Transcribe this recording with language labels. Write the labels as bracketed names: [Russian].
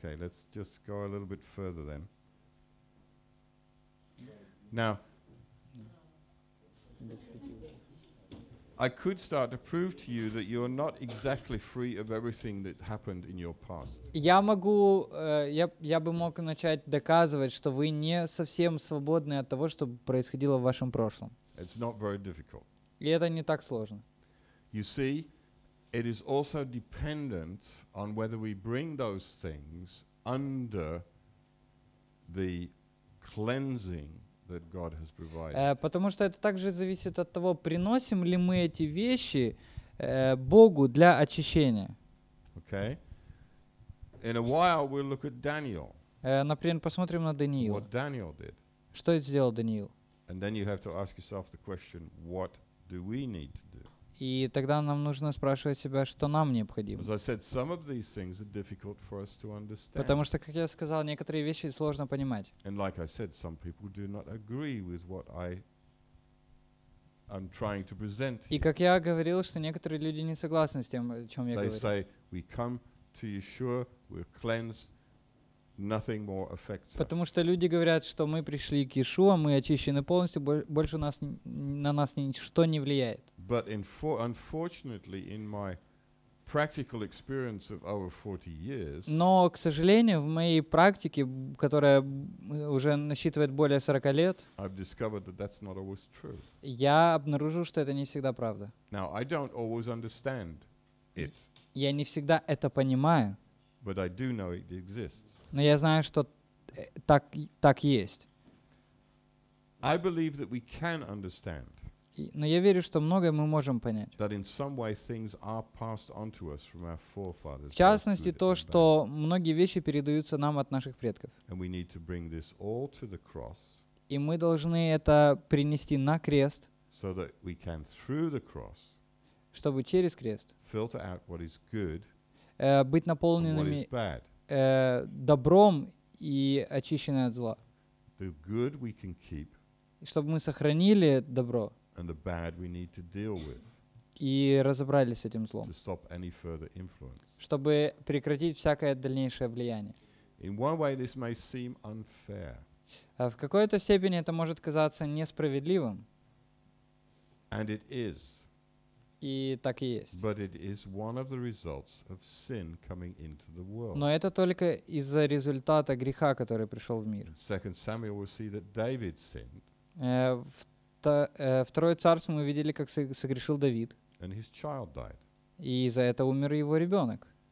[English] Okay, let's just go a little bit further then. Now, I could start to prove to you that you're not exactly free of everything that happened in your past. [Russian] Я могу, я бы мог начать доказывать, что вы не совсем свободны от того, что происходило в вашем прошлом. [English] It's not very difficult. [Russian] И это не так сложно. [English] You see, it is also dependent on whether we bring those things under the cleansing that God has provided. [Russian] Потому что это также зависит от того, приносим ли мы эти вещи Богу для очищения. [English] Okay. In a while we'll look at Daniel. [Russian] Например, посмотрим на Даниила. [English] What Daniel did. [Russian] Что сделал Даниил? [English] And then you have to ask yourself the question, what do we need to do? [Russian] И тогда нам нужно спрашивать себя, что нам необходимо. [English] As I said, some of these things are difficult for us to understand. [Russian] Потому что, как я сказал, некоторые вещи сложно понимать. [English] And like I said, some people do not agree with what I am trying to present. [Russian] И как я говорил, что некоторые люди не согласны с тем, о чем я говорю. [English] They say, we come to Yeshua, we're cleansed, nothing more affects us. [Russian] Потому что люди говорят, что мы пришли к Иешуа, мы очищены полностью, больше нас, на нас ничто не влияет. [English] But unfortunately, in my practical experience of over 40 years, [Russian] но, к сожалению, в моей практике, которая уже насчитывает более 40 лет, [English] I've discovered that that's not always true. [Russian] Я обнаружил, что это не всегда правда. [English] Now, I don't always understand it. [Russian] Я не всегда это понимаю. [English] But I do know it exists. [Russian] Но я знаю, что так есть. [English] I believe that we can understand. [Russian] Но я верю, что многое мы можем понять. [English] That in some way things are passed on to us from our forefathers. [Russian] В частности, то, что многие вещи передаются нам от наших предков. [English] And we need to bring this all to the cross. [Russian] И мы должны это принести на крест. [English] So that we can through the cross. [Russian] Чтобы через крест. [English] Filter out what is good. [Russian] Быть наполненными [English] what is bad. [Russian] Добром и очищенные от зла. [English] The good we can keep. [Russian] Чтобы мы сохранили добро. [English] And the bad we need to deal with. [Russian] И разобрались с этим злом. [English] To stop any further influence. [Russian] Чтобы прекратить всякое дальнейшее влияние. [English] In one way this may seem unfair. [Russian] В какой-то степени это может казаться несправедливым. [English] And it is. [Russian] И так и есть. [English] But it is one of the results of sin coming into the world. [Russian] Но это только из-за результата греха, который пришел в мир. [English] Second Samuel we see that David sinned. [Russian] Второе царство мы видели, как согрешил Давид. [English] And his child died. [Russian] И из-за этого умер его ребенок.